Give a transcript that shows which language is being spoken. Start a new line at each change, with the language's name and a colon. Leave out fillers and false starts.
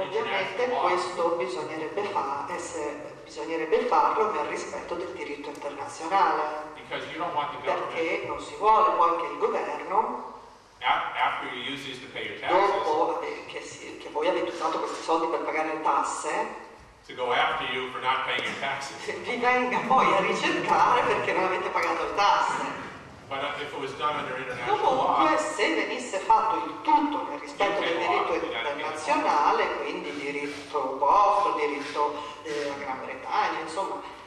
Italian: ovviamente questo bisognerebbe farlo nel rispetto del diritto internazionale, perché non si vuole poi che il governo,
English: after you use these to pay your taxes,
Italian: dopo che voi avete usato questi soldi per pagare le tasse,
English: to go after you for not paying your taxes,
Italian: vi venga poi a ricercare perché non avete pagato le tasse.
English: But if it was done under international
Italian: comunque
English: law,
Italian: se venisse fatto il tutto nel rispetto del diritto internazionale, quindi diritto vostro, diritto della Gran Bretagna, insomma,